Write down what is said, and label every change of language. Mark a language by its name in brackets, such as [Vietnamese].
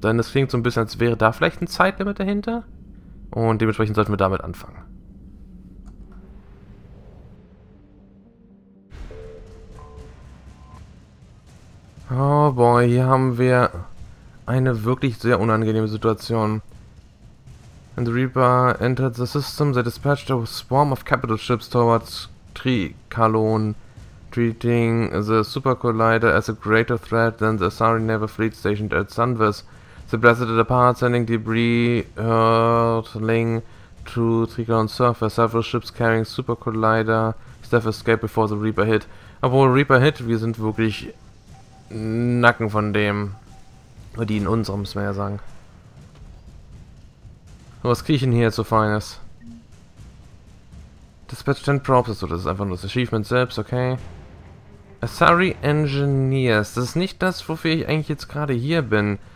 [German] Denn es klingt so ein bisschen, als wäre da vielleicht ein Zeitlimit dahinter. Und dementsprechend sollten wir damit anfangen. [English] Oh boy, [German] hier haben wir eine wirklich sehr unangenehme Situation. [English] When the Reaper entered the system, they dispatched a swarm of capital ships towards Tricalon, treating the Super Collider as a greater threat than the Asari Naval Fleet stationed at Sunvis. They blasted it apart, sending debris hurtling to Tricalon's surface. Several ships carrying Super Collider stealth escaped before the Reaper hit. [German] Obwohl [English] Reaper hit, [German] wir sind wirklich Nacken von dem, die in unserem Smear sagen. Was kriege ich denn hier jetzt so Feines? Dispatch 10 Probes, so, das ist einfach nur das Achievement selbst, okay. Asari Engineers, das ist nicht das, wofür ich eigentlich jetzt gerade hier bin.